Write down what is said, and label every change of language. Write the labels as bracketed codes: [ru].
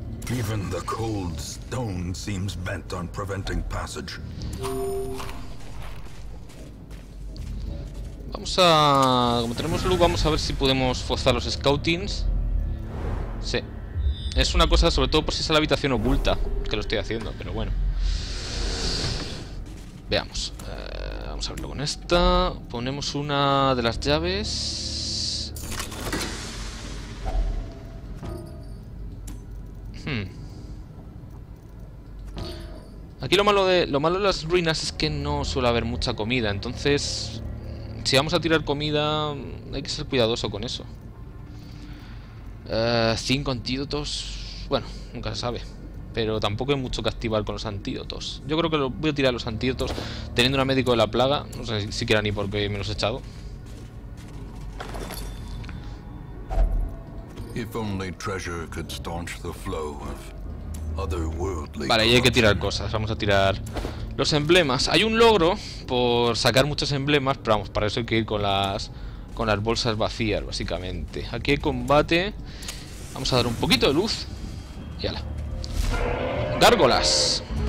[en] Even the cold stone seems bent on preventing passage. [es] Vamos a... Como tenemos luz, vamos a ver si podemos forzar los scoutings. Sí. Es una cosa, sobre todo por si es la habitación oculta, que lo estoy haciendo, pero bueno. Veamos. Vamos a verlo con esta. Ponemos una de las llaves. Aquí lo malo de las ruinas es que no suele haber mucha comida, entonces si vamos a tirar comida hay que ser cuidadoso con eso. 5 antídotos, bueno, nunca se sabe, pero tampoco hay mucho que activar con los antídotos. Yo creo que voy a tirar los antídotos teniendo una médico de la plaga, no sé siquiera ni por qué me los he echado. [en] If only treasure could staunch the flow of otherworldly. [es] Vale, y hay que tirar cosas. Vamos a tirar los emblemas. Hay un logro por sacar muchos emblemas, pero vamos, para eso hay que ir con las bolsas vacías, básicamente. Aquí hay combate. Vamos a dar un poquito de luz. Y ala. Gárgolas.